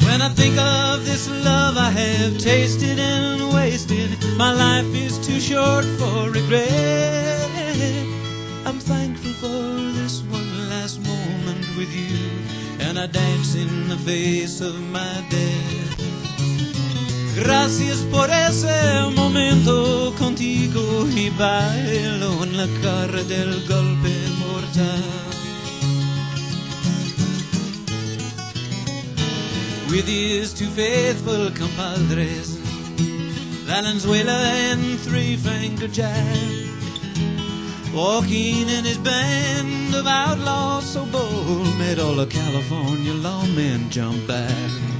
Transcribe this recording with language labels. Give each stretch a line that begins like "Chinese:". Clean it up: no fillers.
English: When I think of this love I have tasted and wasted, my life is too short for regret. I'm thankful for this one last moment with you, and I dance in the face of my death.
Spanish: Gracias por ese momento contigo, y bailo en la cara del golpe mortal.
English: With these two faithful compadres, Valenzuela and three-finger Jack, Joaquin and his band of outlaws so bold made all the California lawmen jump back.